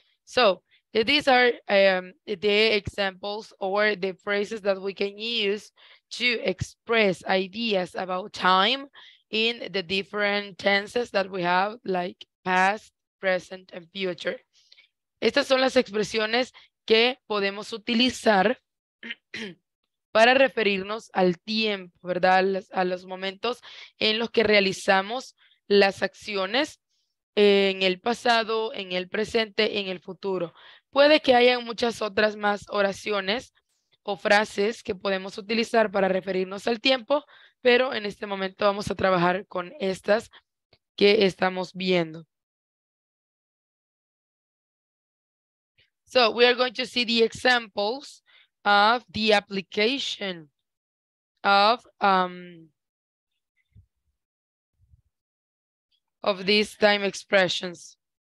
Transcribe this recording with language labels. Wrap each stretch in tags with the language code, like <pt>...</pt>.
<en>So, these are the examples or the phrases that we can use to express ideas about time in the different tenses that we have, like past, present, and future.</en> <es>Estas son las expresiones que podemos utilizar para referirnos al tiempo, ¿verdad? A los momentos en los que realizamos las acciones en el pasado, en el presente, en el futuro. Puede que haya muchas otras más oraciones o frases que podemos utilizar para referirnos al tiempo, pero en este momento vamos a trabajar con estas que estamos viendo.</es> <en>So, we are going to see the examples of the application of these time expressions.</en>